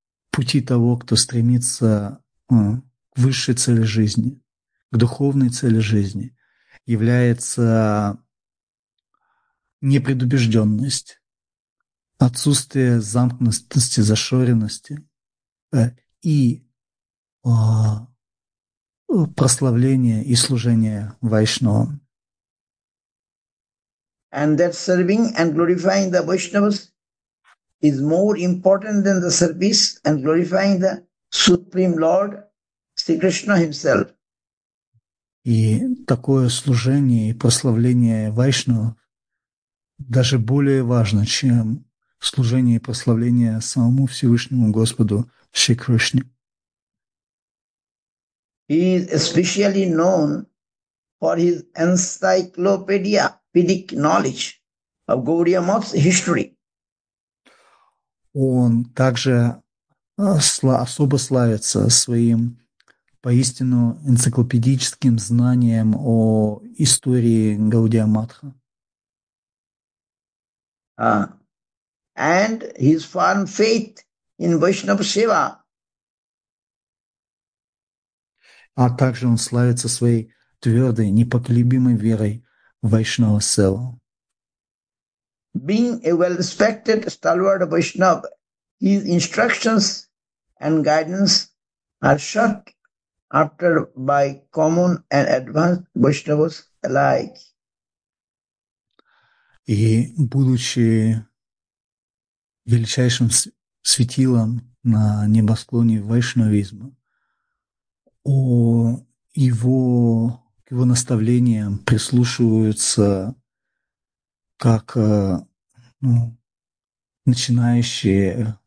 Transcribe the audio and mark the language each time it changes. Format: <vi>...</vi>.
<ru>пути того, кто стремится к высшей цели жизни, к духовной цели жизни, является непредубежденность, отсутствие замкнутости, зашоренности и прославление и служение вайшнавам.</ru> <en>And that serving and glorifying the Vaishnavas is more important than the service and glorifying the Supreme Lord, Sri Krishna himself.</en> <ru>И такое служение и прославление вайшнава даже более важно, чем служение и прославление самому Всевышнему Господу Шри Кришне.</ru> <en>He is especially known for his encyclopedic knowledge of Gaudiya Math's history.</en> <ru>Он также особо славится своим поистину энциклопедическим знанием о истории Гаудия Матха.</ru> <en>And his firm faith in Vaishnava Seva.</en> <ru>А также он славится своей твердой, непоколебимой верой в Вайшнава Сева.</ru> <en>Being a well-respected stalwart Vaishnava, his instructions and guidance are sought after by common and advanced Vaishnavas alike.</en> <ru>И будучи величайшим светилом на небосклоне вайшнавизма, к его наставлениям прислушиваются как начинающие</ru>